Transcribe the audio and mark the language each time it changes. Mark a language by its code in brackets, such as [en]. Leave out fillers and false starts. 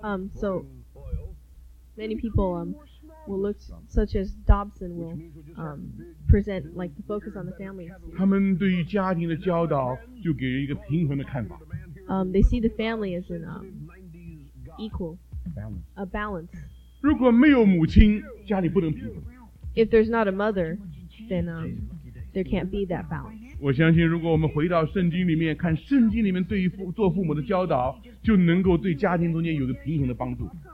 [en] So many people will look such as Dobson will present like the Focus on the Family. [zh] 他们对于家庭的教导就给人一个平衡的看法。 [en] They see the family as an equal, a balance. [zh] 如果没有母亲，家里不能平衡。 [en] If there's not a mother, then there can't be that balance. [zh] 我相信，如果我们回到圣经里面看圣经里面对于做父母的教导，就能够对家庭中间有个平衡的帮助。